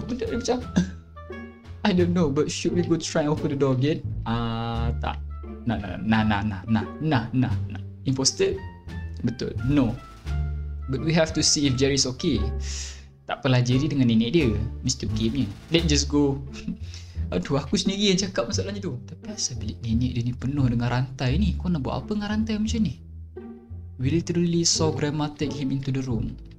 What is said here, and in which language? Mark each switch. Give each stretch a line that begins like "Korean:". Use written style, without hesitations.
Malay: Benda dia macam
English: I don't know, but should we go try open the door again?
Malay: Tak. Nah. Imposter? Betul. No.
English: But we have to see if Jerry's okay.
Malay: Takpelah Jerry dengan nenek dia. Mr. Game-nya.
English: Let's just go.
Malay: Aduh, aku sendiri yang cakap masalahnya tu. Tapi asal bilik nenek dia ni penuh dengan rantai ni? Kau nak buat apa dengan rantai macam ni?
English: We literally saw grandma take him into the room.